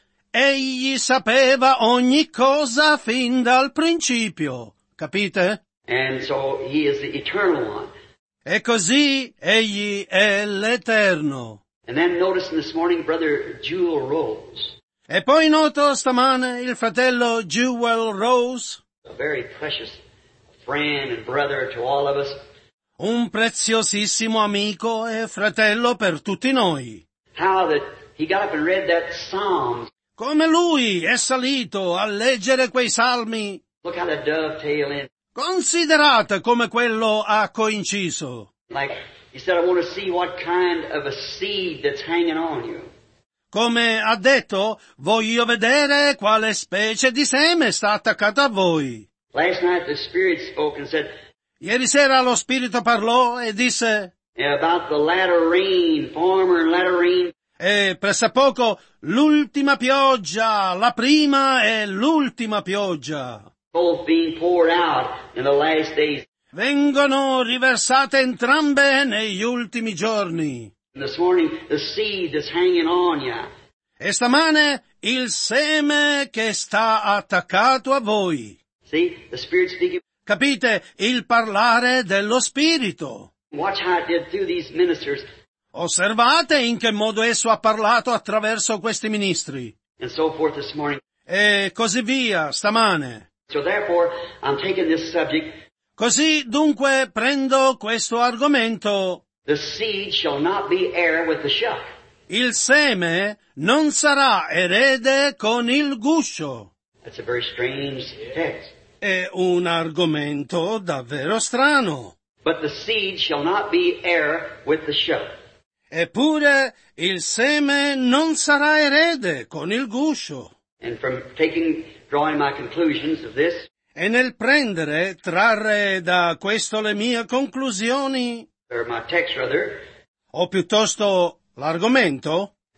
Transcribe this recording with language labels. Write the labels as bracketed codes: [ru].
[it] Egli sapeva ogni cosa fin dal principio. Capite? [en] And so he is the eternal one. [it] E così egli è l'eterno. [en] And then notice this morning, Brother Jewel Rose. [it] E poi noto stamane il fratello Jewel Rose. [en] A very precious friend and brother to all of us. [it] Un preziosissimo amico e fratello per tutti noi. [en] How that he got up and read that psalm. [it] Come lui è salito a leggere quei salmi. [en] Look how the dovetail in. [it] Considerate come quello ha coinciso. [en] Like he said, I want to see what kind of a seed that's hanging on you. [it] Come ha detto, voglio vedere quale specie di seme sta attaccato a voi. [en] Last night the Spirit spoke and said. [it] Ieri sera lo Spirito parlò e disse. [en] About the latter rain, former latter rain. [it] E presso poco l'ultima pioggia, la prima e l'ultima pioggia. [en] Both being poured out in the last days. [it] Vengono riversate entrambe negli ultimi giorni. [en] This morning, the seed is hanging on ya. [it] E stamane il seme che sta attaccato a voi. [en] See, the Spirit speaking. [it] Capite il parlare dello Spirito. [en] Watch how it did through these ministers. [it] Osservate in che modo esso ha parlato attraverso questi ministri. [en] And so forth this morning. [it] E così via, stamane. [en] So therefore, I'm taking this subject. [it] Così dunque prendo questo argomento. [en] The seed shall not be heir with the shuck. [it] Il seme non sarà erede con il guscio. [en] That's a very strange text. [it] È un argomento davvero strano. [en] But the seed shall not be heir with the shuck. [it] Eppure il seme non sarà erede con il guscio. [en] And from drawing my conclusions of this. [it] E nel prendere, trarre da questo le mie conclusioni. [en] Or my text rather. [it] O piuttosto l'argomento.